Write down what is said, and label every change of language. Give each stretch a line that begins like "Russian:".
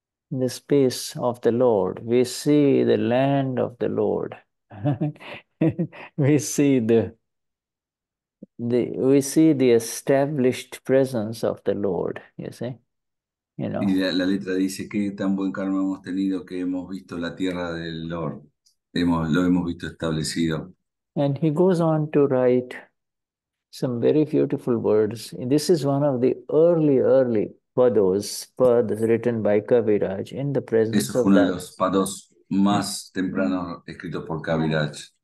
English: the space of the Lord, we see the land of the Lord, we see the established presence of the Lord, you see. You know.
Spanish: Y la letra dice qué tan buen karma hemos tenido que hemos visto la tierra del Lord, lo hemos visto establecido.
English: And he goes on to write some very beautiful words. And this is one of the early pados written by Kaviraj in the presence
Spanish: Eso fue
English: of
Spanish: uno
English: that.
Spanish: De los pados más tempranos escritos por Kaviraj.